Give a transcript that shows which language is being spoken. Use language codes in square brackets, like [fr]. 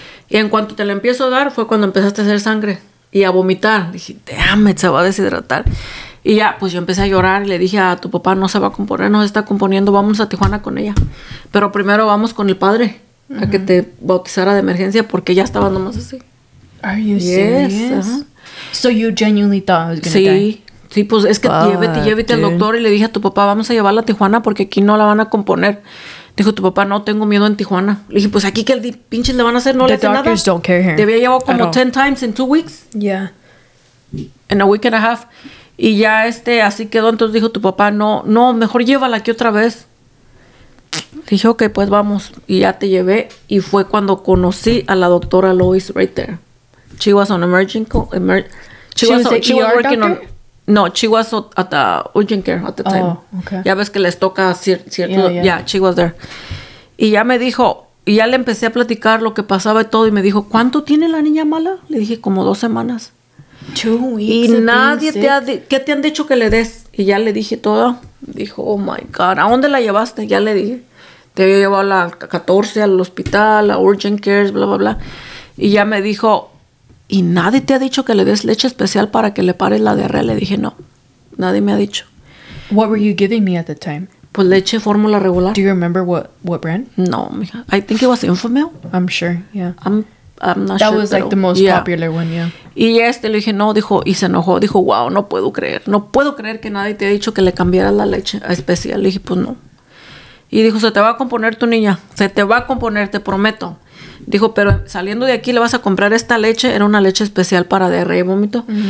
[es] Y en cuanto te la empiezo a dar, fue cuando empezaste a hacer sangre y a vomitar. Dije, déjame, se va a deshidratar. Y ya, pues yo empecé a llorar y le dije a tu papá, no se va a componer, no se está componiendo, vamos a Tijuana con ella. Pero primero vamos con el padre a que te bautizara de emergencia porque ya estaba nomás así. [en] Are you serious? So you genuinely thought I was gonna die? [es] Sí, pues es que llévete al doctor y le dije a tu papá, vamos a llevarla a Tijuana porque aquí no la van a componer. Dijo tu papá, no, tengo miedo en Tijuana. Le dije, pues aquí que el pinche le van a hacer, no [en] the [es] le hacen nada. [en] The doctors don't care here. [es] Te había llevado como 10 [en] times in 2 weeks. Yeah. In a week and a half. [es] Y ya así quedó. Entonces dijo tu papá, no, mejor llévala aquí otra vez. Dije, ok, pues vamos. Y ya te llevé. Y fue cuando conocí a la doctora Lois [en] right there. She was on she was at the urgent care at the time. Oh, okay. [es] Ya ves que les toca cierto. [en] Yeah, she was there. [es] Y ya me dijo, y ya le empecé a platicar lo que pasaba y todo. Y me dijo, ¿cuánto tiene la niña mala? Le dije, como 2 semanas. [en] 2 weeks. [es] Y nadie te ha... ¿Qué te han dicho que le des? Y ya le dije todo. Dijo, [en] oh my God, [es] ¿a dónde la llevaste? Ya le dije. Te había llevado a la 14, al hospital, a [en] urgent cares, [es] bla, bla, bla. Y ya me dijo... Y nadie te ha dicho que le des leche especial para que le pare la diarrea. Le dije, no, nadie me ha dicho. [en] What were you giving me at the time? [es] Pues leche fórmula regular. [en] Do you remember what brand? [es] No, mija. [en] I think it was Infamil. I'm sure, yeah. I'm not That was like the most popular one, yeah. [es] Y le dije, no, dijo, y se enojó. Dijo, wow, no puedo creer. No puedo creer que nadie te ha dicho que le cambiara la leche especial. Le dije, pues no. Y dijo, se te va a componer tu niña. Se te va a componer, te prometo. Dijo, pero saliendo de aquí le vas a comprar esta leche. Era una leche especial para diarrea y vómito.